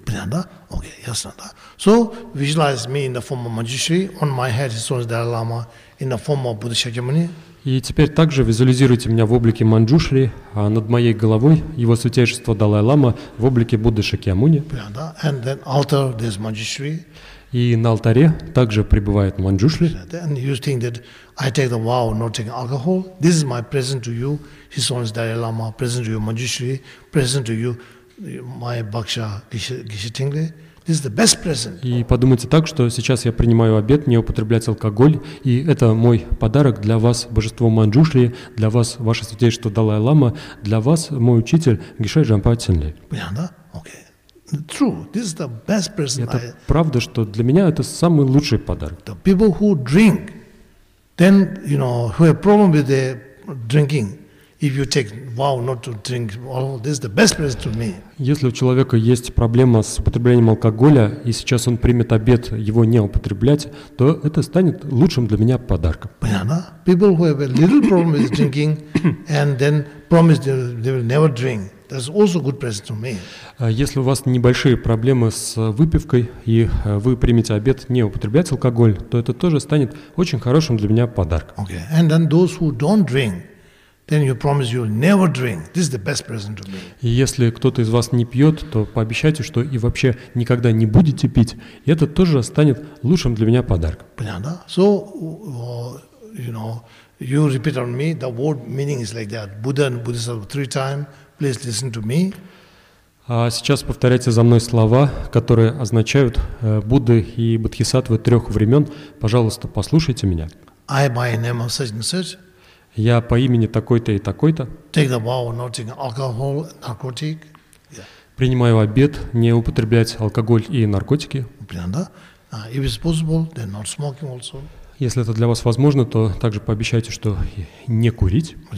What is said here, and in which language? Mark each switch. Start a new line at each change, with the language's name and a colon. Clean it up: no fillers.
Russian: Понятно, да? Окей, ясно, да.
English: So visualize me in the form of Manjushri, on my head is the Dalai Lama, in the form of Buddha Shakyamuni.
Russian: И теперь также визуализируйте меня в облике Манджушри, а над моей головой его святейшество Далай-Лама в облике Будды Шакьямуни.
English: And then altar, there's Manjushri.
Russian: И на алтаре также пребывает Манджушри.
English: And you think that I take the vow of not taking alcohol. This is my present to you, His Holiness Dalai-Lama, present to you Manjushri, present to you my Bhaksha Gishi Tingli. This is the best present.
Russian: И подумайте так, что сейчас я принимаю обет не употреблять алкоголь, и это мой подарок для вас, божество Манджушри, для вас, ваше святейшество Далай-Лама, для вас, мой учитель, Гишай Джампа Цинли. Понятно, да? Окей.
English: True, this is the best present.
Russian: Это правда, что для меня это самый лучший подарок.
English: The people who drink, then, you know, who have problem with their drinking, if you take vow not to drink, well, this is the best present to me.
Russian: Если у человека есть проблема с употреблением алкоголя, и сейчас он примет обет его не употреблять, то это станет лучшим для меня подарком. Понятно?
English: People who have a little problem with drinking and then promise they will never drink, that's also a good present to me.
Russian: Если у вас небольшие проблемы с выпивкой, и вы примете обет не употреблять алкоголь, то это тоже станет очень хорошим для меня подарком.
English: Okay. And then those who don't drink, then you promise you'll never drink. This is the best present to me.
Russian: И если кто-то из вас не пьет, то пообещайте, что и вообще никогда не будете пить. И это тоже станет лучшим для меня подарком. Понятно?
English: So, you know, you repeat on me, the word meaning is like that. Buddha and Buddhism three times, please listen to me.
Russian: А сейчас повторяйте за мной слова, которые означают Будды и Бодхисаттвы трех времен. Пожалуйста, послушайте меня.
English: I, by name of such and such,
Russian: я по имени такой-то и такой-то.
English: Take the vow of not taking alcohol, narcotic. Yeah.
Russian: Принимаю обет не употреблять алкоголь и наркотики.
English: If it's possible, then not smoking also.
Russian: Если это для вас возможно, то также пообещайте, что не курить.